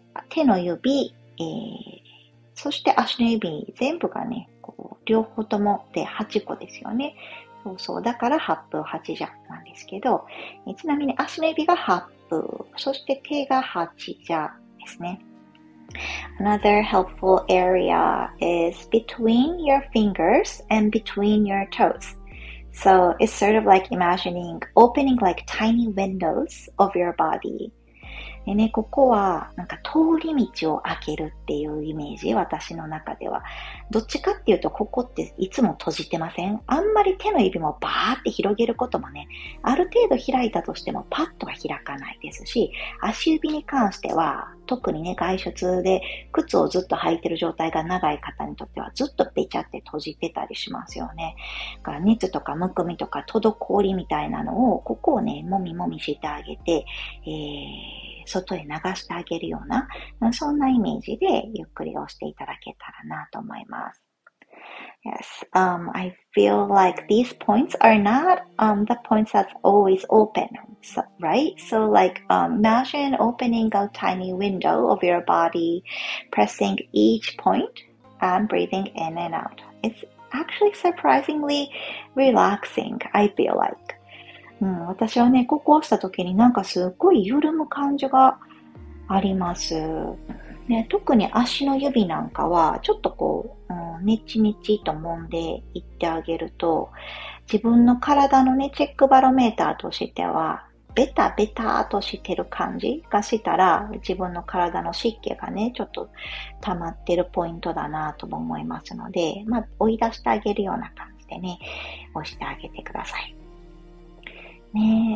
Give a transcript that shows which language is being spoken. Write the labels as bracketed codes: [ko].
[ja] 手の指、そして足の指、全部がね、こう両方とも、で、8個ですよね。そうそう、だから八風八邪なんですけど、ちなみに足の指が八風、そして手が八邪ですね。 [en] Another helpful area is between your fingers and between your toes. So it's sort of like imagining opening like tiny windows of your body. [ja] でね、ここはなんか通り道を開けるっていうイメージ、私の中では。どっちかっていうと、ここっていつも閉じてません？あんまり手の指もバーって広げることもね、ある程度開いたとしてもパッとは開かないですし、足指に関しては、特にね、外出で靴をずっと履いてる状態が長い方にとってはずっとべちゃって閉じてたりしますよね。だから熱とかむくみとか滞りみたいなのを、ここをね、もみもみしてあげて、外へ流してあげるような、そんなイメージでゆっくり押していただけたらなと思います。 [en] Yes, I feel like these points are not the points that's always open, right? So like imagine opening a tiny window of your body, pressing each point and breathing in and out. It's actually surprisingly relaxing, I feel like. [ja] 私はね、ここを押した時になんかすっごい緩む感じがあります。ね、特に足の指なんかは、ちょっとこう、ねちねちと揉んでいってあげると、自分の体のねチェックバロメーターとしてはベタベタとしてる感じがしたら、自分の体の湿気がねちょっと溜まってるポイントだなぁとも思いますので、まあ追い出してあげるような感じでね押してあげてくださいね。